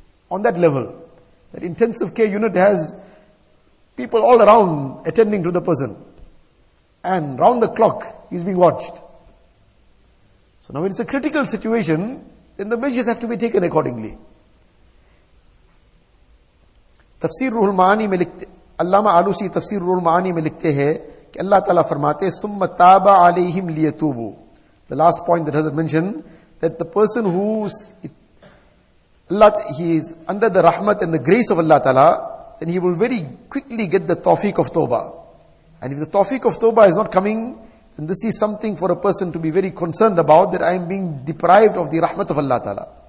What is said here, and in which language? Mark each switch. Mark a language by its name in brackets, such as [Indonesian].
[English] On that level, that intensive care unit has people all around attending to the person. And round the clock, he's being watched. So now when it's a critical situation, then the measures have to be taken accordingly. [Urdu] تفسیر روح المعانی میں لکھتے علامہ آلوسی تفسیر روح المعانی میں لکھتے ہیں کہ اللہ تعالیٰ فرماتے ہیں [Arabic] ثم تاب علیہم لیتوبوا. [English] The last point that Hazrat mentioned, that the person who's he is under the rahmat and the grace of Allah Ta'ala, then he will very quickly get the tawfiq of tawbah. And if the tawfiq of tawbah is not coming, then this is something for a person to be very concerned about, that I am being deprived of the rahmat of Allah Ta'ala.